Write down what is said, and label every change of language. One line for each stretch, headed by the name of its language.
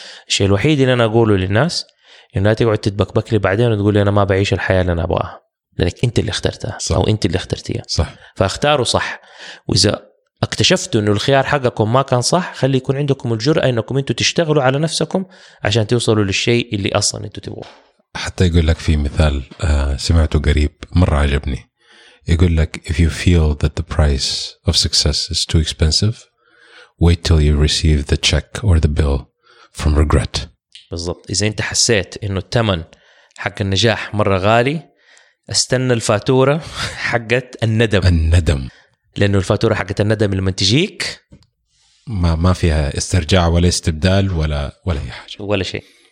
Arabic: الشيء الوحيد اللي انا اقوله للناس انه لا تقعد تتبكبكلي بعدين وتقولي انا ما بعيش الحياه اللي انا ابغاها، لانك انت اللي اخترتها صح. او انت اللي اخترتيها صح، فاختاروا صح. واذا اكتشفتوا انه الخيار حقكم ما كان صح، خلي يكون عندكم الجرأه انكم انتم تشتغلوا على نفسكم عشان توصلوا للشيء اللي اصلا انتم تبغوه. حتى يقول لك في مثال سمعته قريب مرة عجبني، يقول لك
English: if you feel that the price of success is too expensive wait till you receive the check or the bill from regret.
Arabic: بالضبط، إذا أنت حسيت إنه الثمن حق النجاح مرة غالي استنى الفاتورة حقت الندم. الندم، لأنه الفاتورة حقت الندم لما تجيك ما فيها استرجاع ولا استبدال ولا أي حاجة ولا شيء.